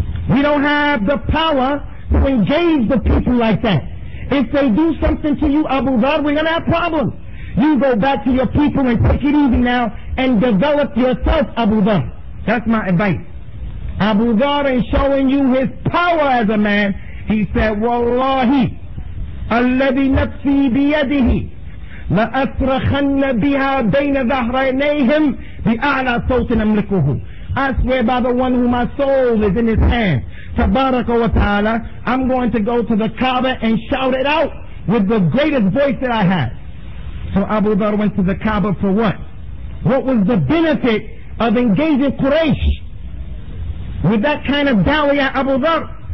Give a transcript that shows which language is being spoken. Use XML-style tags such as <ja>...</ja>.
<en>We don't have the power to engage the people like that. If they do something to you, Abu Dharr, we're going to have problems. You go back to your people and take it easy now and develop yourself, Abu Dharr. That's my advice. Abu Dharr is showing you his power as a man. He said, Wallahi,</en> <ar>الَّذِي نَفْسِي بِيَدِهِ لَأَسْرَخَنَّ بِهَا بَيْنَ ذَهْرَيْنَيْهِمْ بِأَعْلَى صَوْتٍ أَمْلِكُهُ.</ar> <en>I swear by the one whom my soul is in his hand, Tabaraka wa ta'ala, I'm going to go to the Kaaba and shout it out with the greatest voice that I have. So Abu Dharr went to the Kaaba for what? What was the benefit of engaging Quraysh with that kind of dawah, ya Abu Dharr?</en>